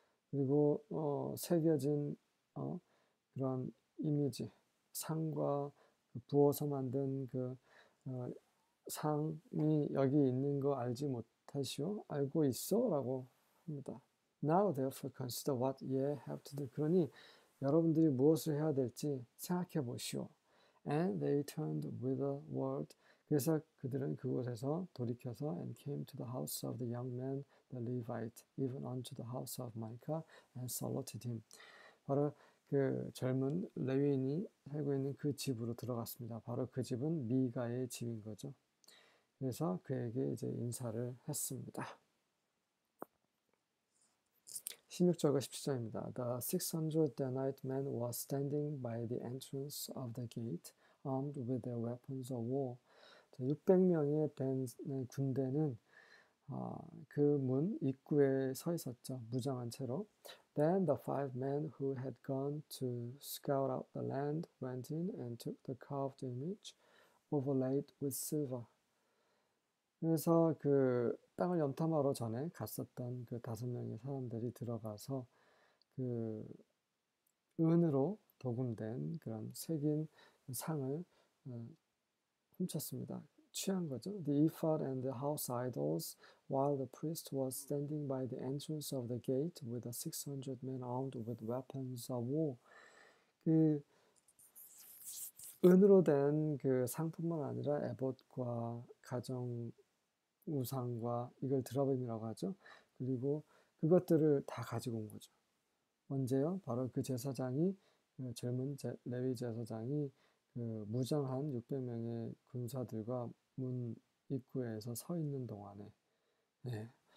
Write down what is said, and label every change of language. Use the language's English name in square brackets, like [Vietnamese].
[Korean] 그리고 새겨진 그런 이미지 상과 부어서 만든 상이 여기 있는 거 알지 못하시오? 알고 있어라고 합니다. [English] Now therefore consider what ye have to do. [Korean] 그러니 여러분들이 무엇을 해야 될지 생각해 보시오. [English] And they turned witherward. [Korean] 그래서 그들은 그곳에서 돌이켜서 [English] and came to the house of the young man, the Levite, even unto the house of Micah, and saluted him. [Korean] 바로 그 젊은 레위인이 살고 있는 그 집으로 들어갔습니다. 바로 그 집은 미가의 집인 거죠. 그래서 그에게 이제 인사를 했습니다. 16절과 17절입니다. [English] The 600 Danite men were standing by the entrance of the gate, armed with their weapons of war. [Korean] 600명의 벤의 군대는 그문 입구에 서 있었죠. 무장한 채로. [English] Then the five men who had gone to scout out the land went in and took the carved image overlaid with silver. [Korean] 그래서 그 땅을 염탐하러 전에 갔었던 그 다섯 명의 사람들이 들어가서 그 은으로 도금된 그런 새긴 상을 훔쳤습니다. 취한 거죠. [English] The ephod and the house idols, while the priest was standing by the entrance of the gate with the 600 men armed with weapons of war. [Korean] 그 은으로 된그 상뿐만 아니라 에봇과 가정 우상과 이걸 드러범이라고 하죠. 그리고 그것들을 다 가지고 온 거죠. 언제요? 바로 그 제사장이, 그 젊은 레위 제사장이 그 무장한 600명의 군사들과 문 입구에서 서 있는 동안에. 예.